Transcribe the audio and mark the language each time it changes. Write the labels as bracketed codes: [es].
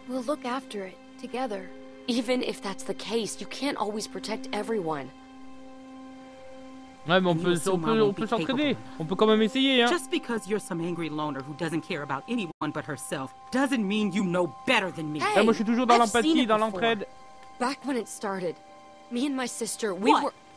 [en] We'll look after it, together. Even if that's the case, you can't always protect everyone. [fr] Ouais, mais on peut s'entraîner. On peut quand même essayer, hein. [en] Just because you're some angry loner who doesn't care about anyone but herself, doesn't mean you know better than me. [fr] Hey, moi, je suis toujours dans l'empathie, dans l'entraide. [en] Back when it started, me and my sister, we were...